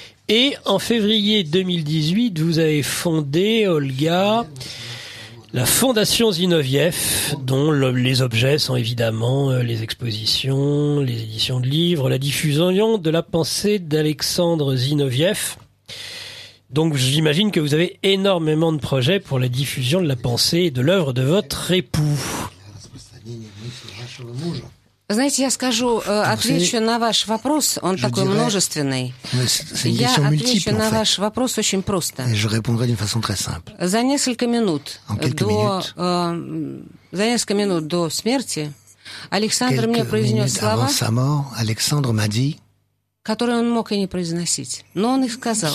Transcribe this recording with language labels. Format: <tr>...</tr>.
<fr>Et en février 2018, vous avez fondé, Olga, la Fondation Zinoviev, dont les objets sont évidemment les expositions, les éditions de livres, la diffusion de la pensée d'Alexandre Zinoviev. Donc j'imagine que vous avez énormément de projets pour la diffusion de la pensée et de l'œuvre de votre époux.</fr> <ru>Вы знаете, я скажу, отвечу на ваш вопрос, он такой множественный. Я отвечу на ваш вопрос очень просто.</ru> <fr>Je répondrai d'une façon très simple.</fr> <ru>За несколько минут до смерти Александр мне произнес слова,</ru> <fr>avant sa mort, Alexandre m'a dit,</fr> <ru>которые он мог и не произносить, но он их сказал.</ru>